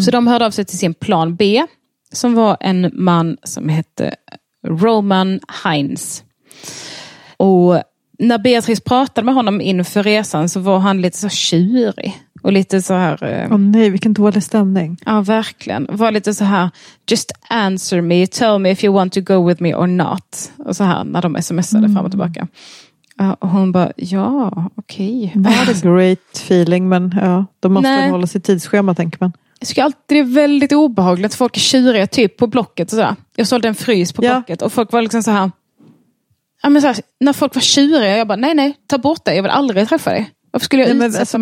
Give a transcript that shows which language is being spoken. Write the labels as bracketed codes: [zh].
[sv] Så de hörde av sig till sin plan B, som var en man som hette Roman Heinz. Och när Beatrice pratade med honom inför resan så var han lite så tjurig. Och lite så här... Åh nej, vilken dålig stämning. Ja, verkligen. Var lite så här, [en] just answer me, tell me if you want to go with me or not. [sv] Och så här, när de smsade fram och tillbaka. Och hon bara, ja, okej. Okay. Det var en [en] great feeling, [sv] men ja, då måste man hålla sitt tidsschema, tänker man. Jag tycker alltid det är väldigt obehagligt. Folk är tjuriga typ på Blocket. Och så här. Jag sålde en frys på Blocket och folk var liksom så här... Ja, men så här, när folk var tjuriga, jag bara, nej, nej, ta bort det. Jag vill aldrig träffa dig. Varför skulle jag utsätta mig för det?